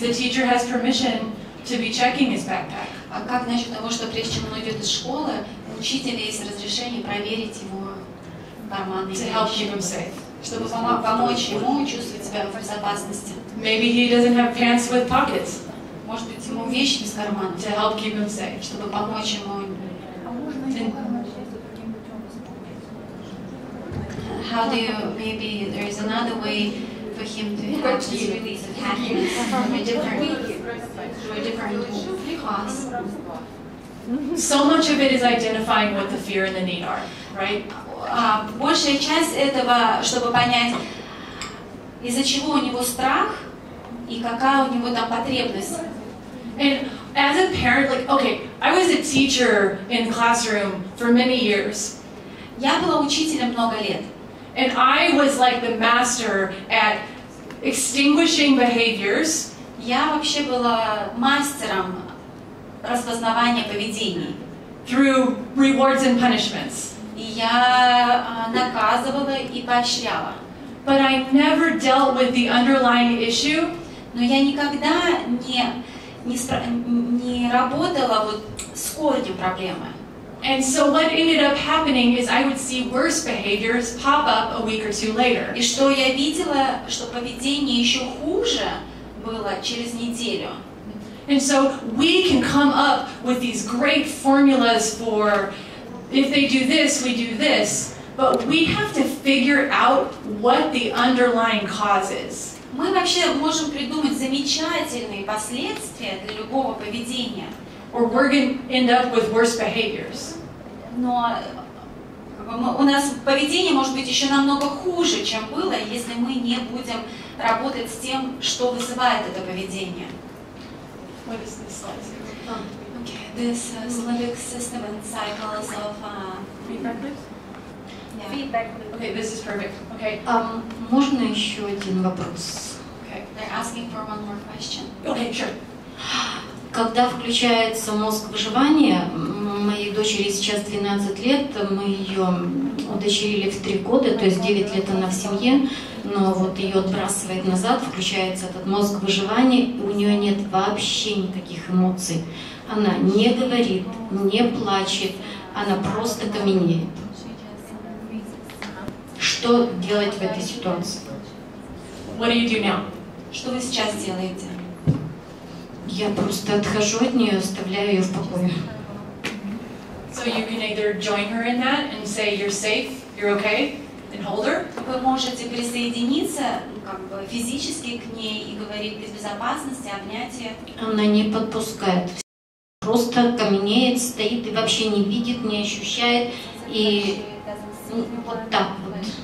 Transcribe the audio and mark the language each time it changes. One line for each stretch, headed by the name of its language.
English: The teacher has permission to be checking his backpack.
Russian: А как насчет того, что прежде чем он уйдет из школы, у учителя есть разрешение проверить его карманы?
English: To help keep him safe.
Russian: Чтобы помочь ему чувствовать себя в безопасности.
English: Maybe he doesn't have pants with pockets.
Russian: Может быть, ему вещи без карманов.
English: To help keep him safe.
Russian: Чтобы помочь ему. А можно его карман
English: How do you, maybe there is another way for him to have this release of happiness through a different class. So much of it is identifying what the fear and the need are, right? Большая часть этого, чтобы понять, из-за чего у него страх и какая у него там потребность. And as a parent, like, okay, I was a teacher in the classroom for many years. Я была учителем много лет. And I was like the master at extinguishing behaviors. Я вообще была мастером распознавания поведений. Through rewards and punishments. И я наказывала и поощряла. But I never dealt with the underlying issue. Но я никогда не работала вот с корнем проблемы. And so what ended up happening is I would see worse behaviors pop up a week or two later. И что я видела, что поведение еще хуже было через неделю. And so we can come up with these great formulas for if they do this, we do this, but we have to figure out what the underlying cause is. Мы вообще можем придумать замечательные последствия для любого поведения. Or we're going to end up with worse behaviors. Но у нас поведение может быть еще намного хуже, чем было, если мы не будем работать с тем, что вызывает это поведение. What is this slide? This limbic system and cycles of feedback. Okay, this is perfect. Okay.
Russian: Можно еще один вопрос?
English: Okay. They're asking for one more question. Okay, sure.
Russian: Когда включается мозг выживания, моей дочери сейчас 12 лет, мы ее удочерили в 3 года, то есть 9 лет она в семье, но вот ее отбрасывает назад, включается этот мозг выживания, и у нее нет вообще никаких эмоций. Она не говорит, не плачет, она просто каменеет. Что делать в этой ситуации?
English: What do you do now?
Russian: Что вы сейчас делаете? Я просто отхожу от нее, оставляю ее в покое.
English: So you can either join her in that and say you're safe, you're okay, and hold her.
Russian: Вы можете присоединиться физически к ней и говорить без безопасности, обнять ее. Она не подпускает. Просто каменеет, стоит и вообще не видит, не ощущает, и вот так вот.